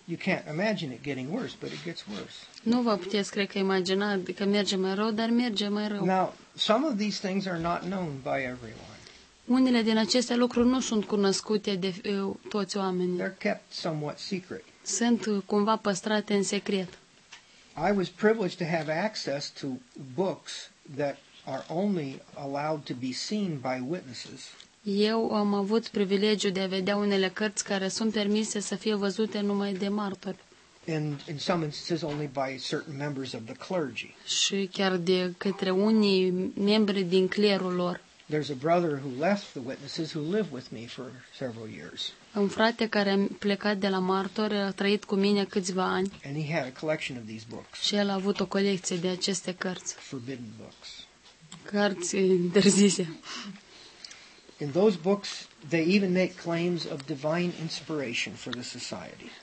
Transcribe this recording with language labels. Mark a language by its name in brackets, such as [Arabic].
[English] You can't imagine it getting worse, but it gets worse. [Romanian] Nu vă puteți, cred că, imagina că merge mai rău, dar merge mai rău. [English] Now, some of these things are not known by everyone. [Romanian] Unele din aceste lucruri nu sunt cunoscute de toți oamenii. [English] They're kept somewhat secret. [Romanian] Sunt cumva păstrate în secret. [English] I was privileged to have access to books that are only allowed to be seen by witnesses. [Romanian] Eu am avut privilegiul de a vedea unele cărți care sunt permise să fie văzute numai de martori. [English] And in some instances only by certain members of the clergy. [Romanian] Și chiar de către unii membri din clerul lor. [English] There's a brother who left the witnesses who lived with me for several years. [Romanian] Un frate care a plecat de la martori a trăit cu mine câțiva ani. [English] And he had a collection of these books. [Romanian] Și el a avut o colecție de aceste cărți. [English] Forbidden books. [Romanian] Cărți interzise. [English] In those books, they even make claims of divine inspiration for the society.